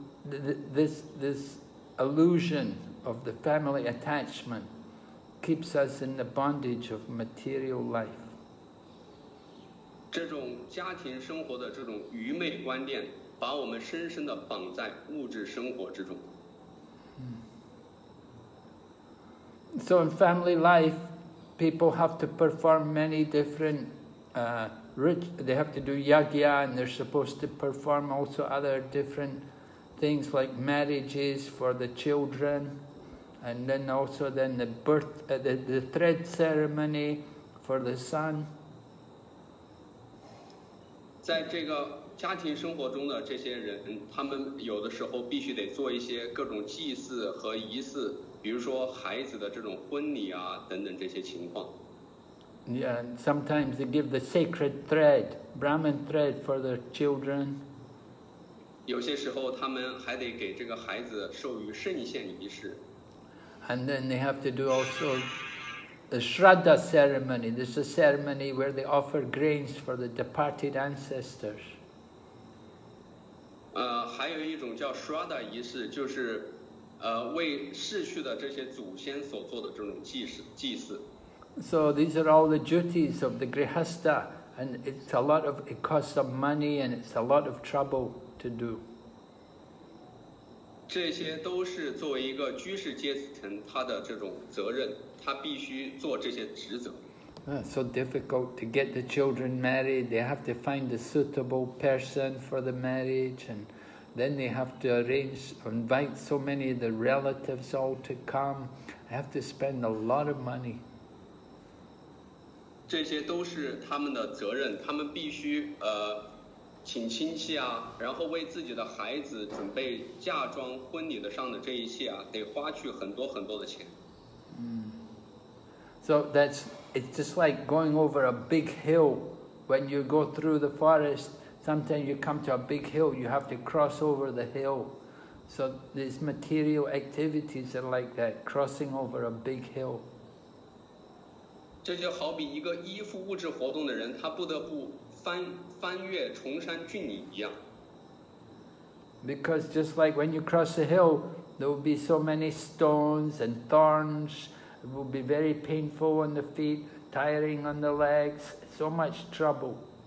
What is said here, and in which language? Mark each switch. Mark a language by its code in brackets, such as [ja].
[en] This illusion of the family attachment keeps us in the bondage of material life. [zh] 这种家庭生活的这种愚昧观念，把我们深深的绑在物质生活之中。 [en] So in family life, people have to perform many different, they have to do yagya, and they're supposed to perform also other different. Things like marriages for the children, and then also then the birth, the thread ceremony for the son. [zh] 在这个家庭生活中的这些人，他们有的时候必须得做一些各种祭祀和仪式，比如说孩子的这种婚礼啊等等这些情况。 [en] Yeah, and sometimes they give the sacred thread, Brahmin thread for their children. [zh] 有些时候他们还得给这个孩子授予圣献仪式。 [en] And then they have to do also the Shraddha ceremony. This is a ceremony where they offer grains for the departed ancestors. [zh] 还有一种叫 Shraddha 仪式，就是为逝去的这些祖先所做的这种祭祀。 [en] So these are all the duties of the Grihastha, and it's a lot of, it costs some money and it's a lot of trouble. To do. [zh] 这些都是作为一个居士阶层他的这种责任，他必须做这些职责。 [en] So difficult to get the children married. They have to find a suitable person for the marriage, and then they have to arrange, invite so many of the relatives all to come. They have to spend a lot of money. [zh] 这些都是他们的责任，他们必须请亲戚啊，然后为自己的孩子准备嫁妆、婚礼的上的这一切啊，得花去很多很多的钱。 [en] So that's, it's just like going over a big hill. When you go through the forest, sometimes you come to a big hill, you have to cross over the hill. So these material activities are like that, crossing over a big hill. [zh] 这就好比一个依附物质活动的人，他不得不翻越崇山峻岭一样。 [en] Because just like when you cross a hill, there will be so many stones and thorns. It will be very painful on the feet, tiring on the legs, so much trouble.